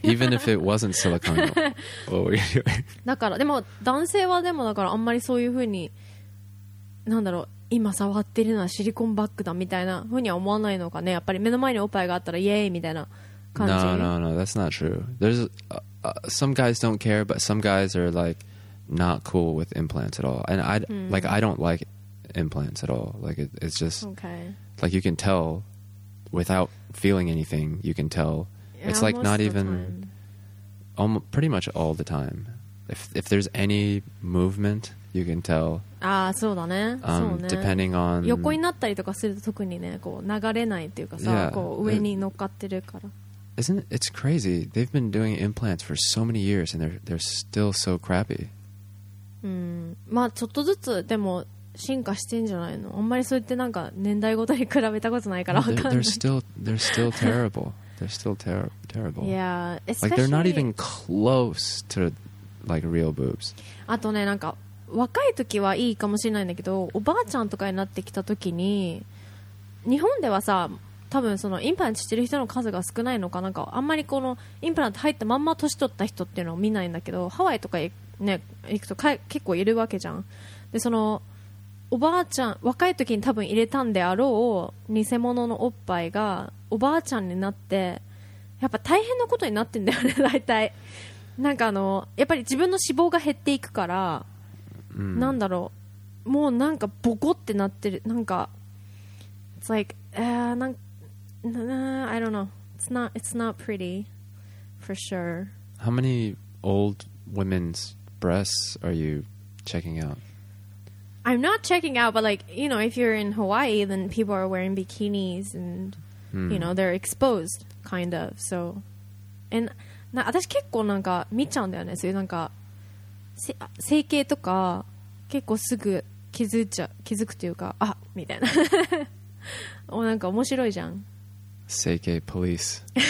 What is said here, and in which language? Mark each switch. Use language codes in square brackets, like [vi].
[en] even if it wasn't silicone, what were you doing? [ja] だから、でも男性はでもだからあんまりそういう風になんだろう、今触ってるのはシリコンバッグだみたいな風には思わないのかね。やっぱり目の前におっぱいがあったらイエーイみたいな感じ。 [en] No, that's not true. There's some guys don't care, but some guys are like not cool with implants at all. And I、mm. like I don't like implants at all. Like it's just okay. Like you can tell without feeling anything, you can tell. Yeah, it's like not even almost, pretty much all the time. If there's any movement, you can tell. Ah, so だね so ね depending on [ja] 横になったりとかすると特にねこう流れないっていうかさ、こう上に乗っかってるから [en] Isn't it, it's crazy? They've been doing implants for so many years and they're still so crappy. [ja] まあちょっとずつでも進化してんじゃないの。あんまりそうやってなんか年代ごとに比べたことないからわかんない。 [en] They're still terrible. They're still terrible. Yeah, especially like they're not even close to like real boobs. [ja] あとね、なんか若い時はいいかもしれないんだけど、おばあちゃんとかになってきた時に、日本ではさ、多分そのインプラントしてる人の数が少ないのかなんか、あんまりこのインプラント入ったまんま年取った人っていうのを見ないんだけど、ハワイとかね行くと結構いるわけじゃん。でその。おばあちゃん若い時に多分入れたんであろう偽物のおっぱいがおばあちゃんになってやっぱ大変なことになってんだよね大体なんかあのやっぱり自分の脂肪が減っていくから、 mm. なんだろうもうなんかボコってなってるなんか [en] It's like、 [ja] なんか [en] I don't know it's not pretty for sure How many old women's breasts are you checking out I'm not checking out, but like, you know, if you're in Hawaii, then people are wearing bikinis and,、mm. you know, they're exposed, kind of, so. [ja] And, 私結構なんか見ちゃうんだよね。そういうなんか、整形とか、結構すぐ気づくというか、あ、みたいな。お、なんか面白いじゃん。整形 police.